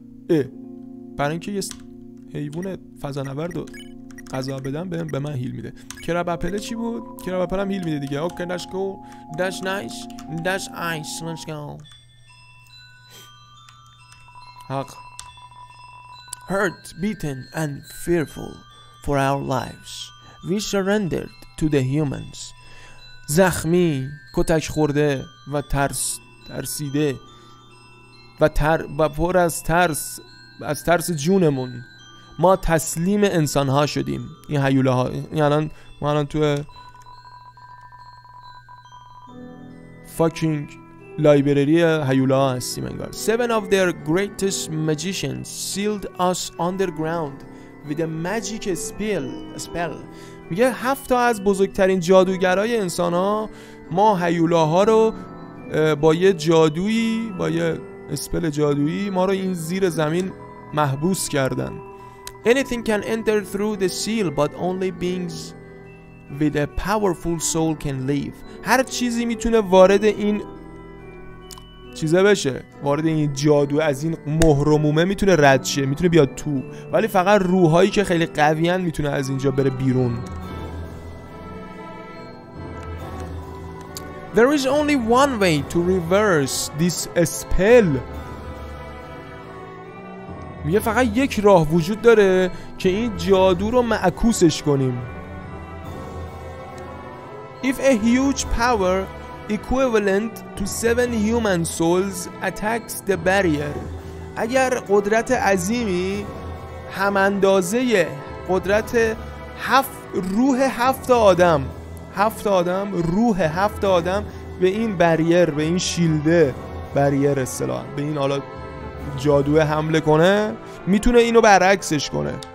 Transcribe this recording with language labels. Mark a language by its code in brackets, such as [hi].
[fa] اه برای اینکه یه حیوان فضانورد رو غذا بدم به من هیل میده. کراب اپل چی بود؟ کراب اپل هم هیل میده دیگه. اوکی داش گو داش نایس داش آیس لنس گو حق. [en] Hurt, beaten and fearful for our lives, we surrendered to the humans. [fa] زخمی، کتک خورده و ترسیده و پر از ترس از ترس جونمون ما تسلیم انسان‌ها شدیم. این هیوله ها الان ما الان تو فاکینگ لایبرری هیوله ها هستیم انگار. [en] 7 of their greatest magicians sealed us underground with a magic spell. [fa] میگه 7 تا از بزرگترین جادوگرای انسان‌ها ما هیوله ها رو با یه جادویی با یه اسپل جادویی ما رو این زیر زمین محبوس کردن. [en] Anything can enter through the seal but only beings with a powerful soul can leave. [fa] هر چیزی میتونه وارد این چیزه بشه، وارد این جادو از این مهرمومه میتونه رد شه، میتونه بیاد تو، ولی فقط روحایی که خیلی قویان میتونه از اینجا بره بیرون. [en] There is only one way to reverse this spell. [fa] میگه فقط یک راه وجود داره که این جادو رو معکوسش کنیم. [en] If a huge power equivalent to 7 human souls attacks the barrier. [fa] اگر قدرت عظیمی هم اندازه قدرت 7 روح 7 آدم، 7 آدم روح 7 آدم به این بریر، به این شیلده بریر اصطلاح، به این حالا جادوه حمله کنه، میتونه اینو برعکسش کنه.